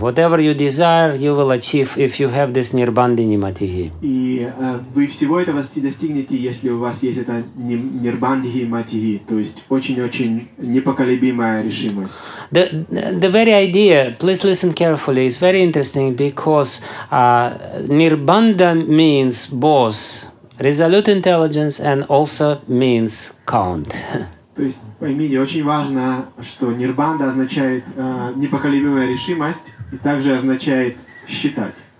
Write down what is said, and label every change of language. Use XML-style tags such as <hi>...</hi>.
<en>Whatever you desire, you will achieve if you have this Nirbandini Matihi.</en> <ru>И вы всего этого достигнете, если у вас есть это Nirbandini Matihi, то есть очень-очень непоколебимая решимость.</ru> <en>The very idea, please listen carefully, is very interesting because Nirbanda means both resolute intelligence and also means count.</en> <ru>То есть, поймите, очень важно, что нирбанда означает непоколебимая решимость и также означает считать.</ru>